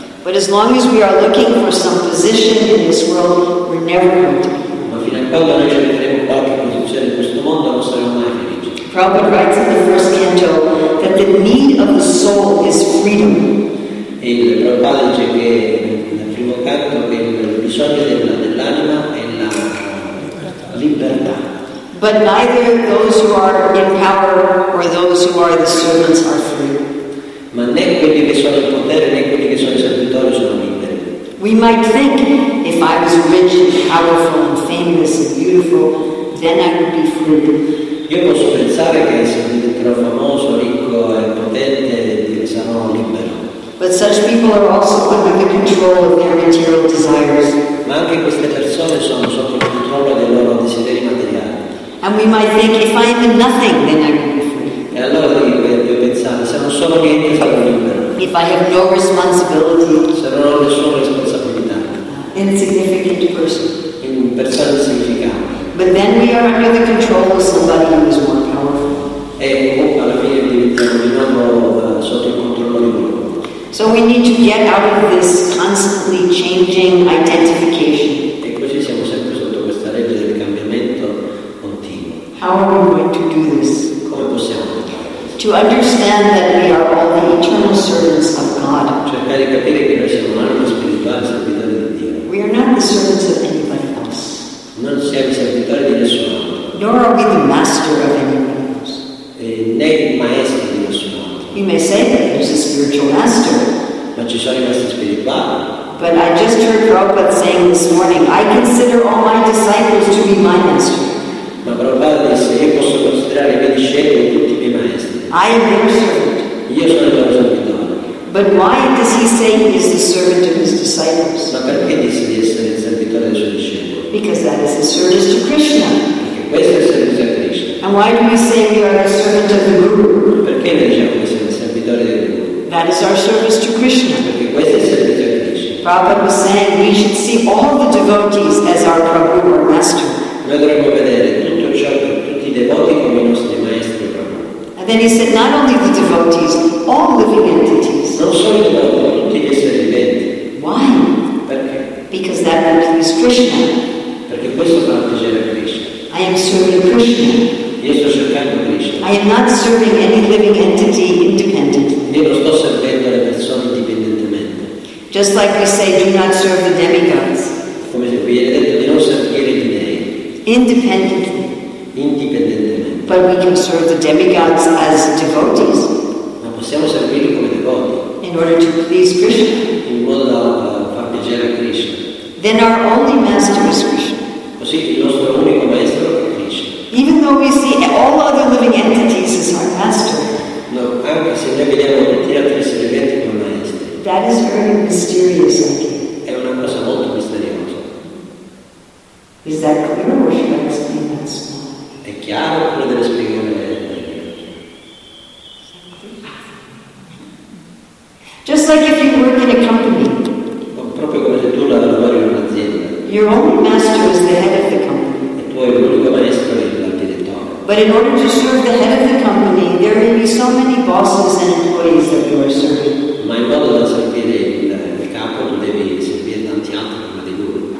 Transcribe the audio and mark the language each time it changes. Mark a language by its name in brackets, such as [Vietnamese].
[English] But as long as we are looking for some position in this world, we're never going to be. [Italian] Ma fino a quando noi cercheremo qualche posizione in questo mondo, non saremo mai felici. [English] Prabhupada writes in the first canto that the need of the soul is freedom. [Italian] E il Prabhupada dice che nel primo canto che il bisogno dell'anima è la libertà. [English] But neither those who are in power or those who are the servants are free. [Italian] Ma né quelli che sono in potere né quelli che sono servitori sono liberi. [English] We might think if I was rich and powerful and famous and beautiful, then I would be free. [Italian] Io posso pensare che se diventerò famoso, ricco e potente, sarò libero. [English] But such people are also under the control of their material desires. [Italian] Ma anche queste persone sono sotto il controllo dei loro desideri materiali. [English] And we might think if I am nothing, then I would be free. [Italian] E allora io pensavo, se non sono niente sarò libero. [English] If I have no responsibility, [Italian] se non ho nessuna responsabilità. [English] Insignificant person. [Italian] In persona insignificante. [English] But then we are under the control of somebody who is more powerful. [Italian] E alla fine diventiamo sotto il controllo di qualcuno. [English] So we need to get out of this constantly changing identification. [Italian] E così siamo sempre sotto questa legge del cambiamento continuo. [English] How are we going to do this? [Italian] Come possiamo? [English] To understand that we are all the eternal servants of God. [Italian] Cercare di capire che noi siamo l'anima spirituale servitore di Dio. [English] We are not the servants of anybody else. [Italian] Non siamo servitori di nessun altro. [English] Nor are we the master of anybody else. [Italian] Né il maestro di nessun altro. [English] You may say that there's a spiritual master. [Italian] Ma ci sono i maestri spirituali. [English] But I just heard Prabhupada saying this morning, I consider all my disciples to be my master. [Italian] Ma Prabhupada disse, io posso considerare i miei discepoli tutti i miei maestri. [English] I am your servant. [Italian] Io sono il tuo servitore. [English] But why does he say he is the servant of his disciples? [Italian] Ma perché dice di essere il servitore dei suoi discepoli? [English] Because that is the service to Krishna. [Italian] Perché questo è il servizio a Krishna. [English] And why do we say we are the servant of the Guru? [Italian] Perché noi diciamo che siamo il servitore del Guru? [English] That is our service to Krishna. [Italian] Perché questo è il servizio a Krishna. [English] Prabhupada was saying we should see all the devotees as our Prabhu or Master. [Italian] Noi dovremmo vedere tutto ciò, tutti i devoti come i nostri maestri. [English] Then he said, not only the devotees, all living entities. [Italian] Non solo i devoti, tutti gli esseri viventi. [English] Why? [Italian] Perché? [English] Because that would please Krishna. [Italian] Perché questo fa piacere a Krishna. [English] I am serving Krishna. [Italian] Io sto cercando Krishna. [English] I am not serving any living entity independently. [Italian] Io non sto servendo le persone indipendentemente. [English] Just like we say, do not serve the demigods. [Italian] Come se viene detto di non servire gli dei. [English] Independently. [Italian] Indipendentemente. [English] But we can serve the demigods as devotees. [Italian] Ma possiamo servirli come devoti. [English] In order to please Krishna. [Italian] In modo da far piacere a Krishna. [English] Then our only master is Krishna. [Italian] Così il nostro unico maestro è Krishna. [English] Even though we see all other living entities as our master. [Italian] No, anche se noi vediamo tutti gli altri esseri viventi come maestri. [English] That is very mysterious, I think. [Italian] È una cosa molto misteriosa. [English] Is that clear or should I explain that? [Italian] È chiaro quello deve spiegare. [English] Just like if you work in a company. [Italian] Proprio come se tu lavori in un'azienda. [English] Your only master is the head of the company. [Italian] E tu hai l'unico maestro è il direttore. [English] But in order to serve the head of the company, there may be so many bosses and employees that you are serving. [Italian] Ma in modo da servire il capo tu devi servire tanti altri come di lui.